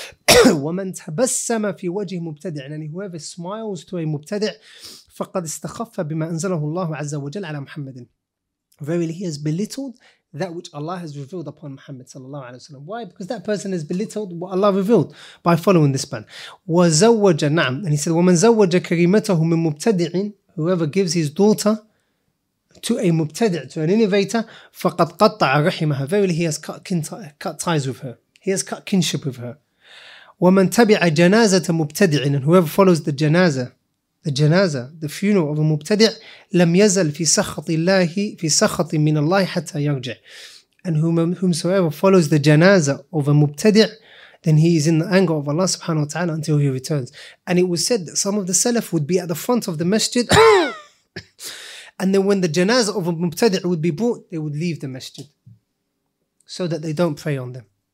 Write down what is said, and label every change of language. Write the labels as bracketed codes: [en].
[ar] ومن تبسم في وجه مبتدع, [en] and whoever smiles to a [ar] مبتدع, فقد استخف بما أنزله الله عز وجل على محمد. [en] Verily, he has belittled that which Allah has revealed upon Muhammad sallallahu alaihi wasallam. Why? Because that person has belittled what Allah revealed by following this man. [ar] وزوج, نعم. [en] And he said, [ar] ومن زوج كريمته من مبتدع, [en] whoever gives his daughter to a مبتدع, to an innovator, [ar] فقد قطع رحمها. [en] Verily, he has cut ties with her. He has cut kinship with her. [ar] ومن تبع جنازة مبتدع, [en] and whoever follows the janazah, the janazah, the funeral of a mubtadi, [ar] لم يزل في سخط الله في سخط من الله حتى يرجع. [en] And whomsoever follows the janazah of a mubtadi, then he is in the anger of Allah subhanahu wa ta'ala until he returns. And it was said that some of the salaf would be at the front of the masjid, and then when the janazah of a mubtadi would be brought, they would leave the masjid so that they don't pray on them.